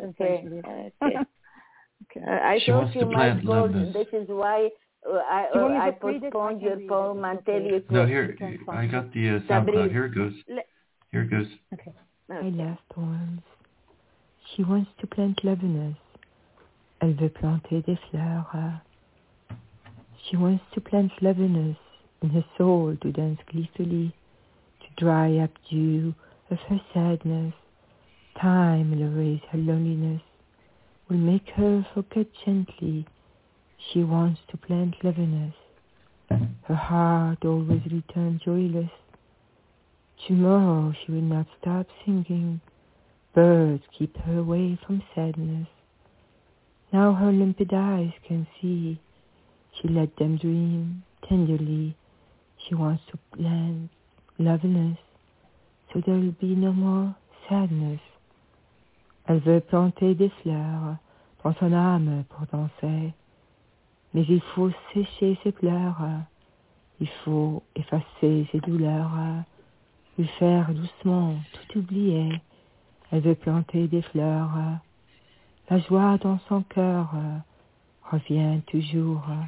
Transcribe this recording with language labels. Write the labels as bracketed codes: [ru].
[en] okay. Okay. She wants to plant love. This is why... I postponed your poem until you could. No, here, I got the SoundCloud. Here it goes. Okay. My last ones. She wants to plant loveliness. [fr] Elle veut planter des fleurs. [en] She wants to plant loveliness in her soul to dance gleefully, to dry up dew of her sadness. Time will erase her loneliness, will make her forget gently. She wants to plant loveliness. Her heart always returns joyless. Tomorrow she will not stop singing. Birds keep her away from sadness. Now her limpid eyes can see. She let them dream tenderly. She wants to plant loveliness. So there will be no more sadness. [fr] Elle veut planter des fleurs dans son âme pour danser. Mais il faut sécher ses pleurs, il faut effacer ses douleurs, lui faire doucement tout oublier. Elle veut planter des fleurs, la joie dans son cœur revient toujours.